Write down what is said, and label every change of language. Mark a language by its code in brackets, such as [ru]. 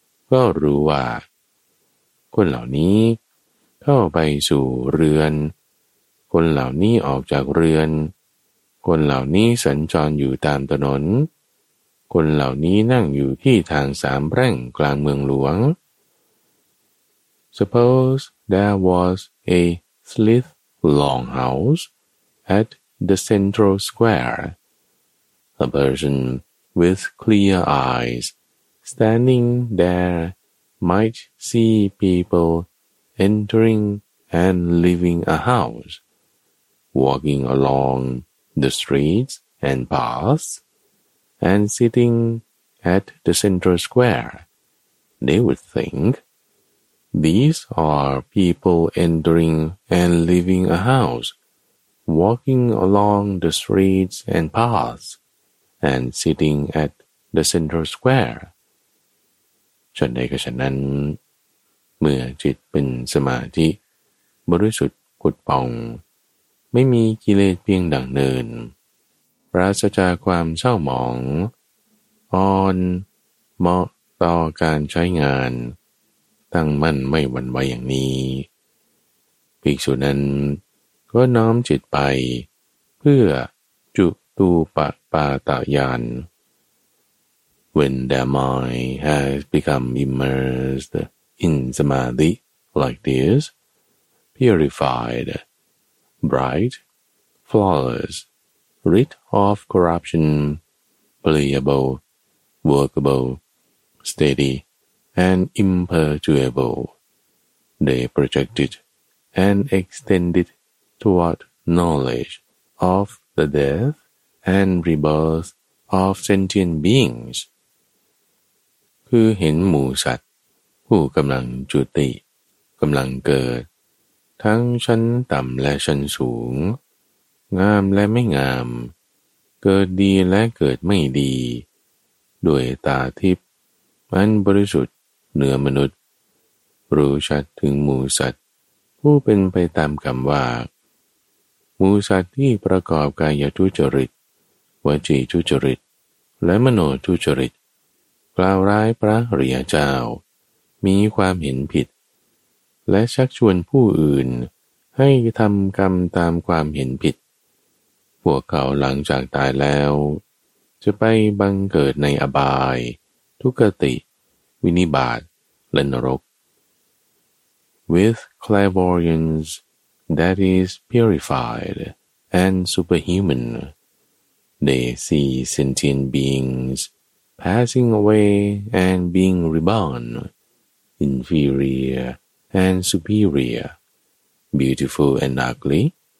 [th] ก็รู้ว่าคนเหล่านี้เข้าไปสู่เรือนคนเหล่านี้ออกจากเรือนคนเหล่านี้สัญจรอยู่ตามถนนคนเหล่านี้นั่งอยู่ที่ทางสามแพร่งกลางเมืองหลวง [en] Suppose there was a slit longhouse at the central square. A person with clear eyes standing there might see people entering and leaving a house, walking along the streets and paths. And sitting at the central square, they would think, these are people entering and leaving a house, walking along the streets and paths, and sitting at the central square. [th] ฉันใดก็ฉันนั้นเมื่อจิตเป็นสมาธิบริสุทธิ์ผุดผ่องไม่มีกิเลสเพียงดั่งเนินปราศจากความเศร้าหมองออนเหมาะต่อการใช้งานตั้งมั่นไม่หวั่นไหวอย่างนี้ภิกษุนั้นก็น้อมจิตไปเพื่อจุตูปปาตาญาณ [en] When their mind has become immersed in samadhi like this, purified, bright, flawlessrid of corruption, playable, workable, steady, and imperturbable, they projected and extended toward knowledge of the death and rebirth of sentient beings. [th] คือเห็นหมู่สัตว์ผู้กำลังจุติกำลังเกิดทั้งชั้นต่ำและชั้นสูงงามและไม่งามเกิดดีและเกิดไม่ดีด้วยตาทิพย์อันบริสุทธิ์เหนือมนุษย์รู้ชัดถึงหมู่สัตว์ผู้เป็นไปตามคำว่า หมู่สัตว์ที่ประกอบกายทุจริตวจีทุจริตและมโนทุจริตกล่าวร้ายพระอริยเจ้ามีความเห็นผิดและชักชวนผู้อื่นให้ทำกรรมตามความเห็นผิดพวกเขาหลังจากตายแล้วจะไปบังเกิดในอบายทุกขติวินิบาตและนรก [en] With clairvoyance that is purified and superhuman, they see sentient beings passing away and being reborn, inferior and superior, beautiful and ugly.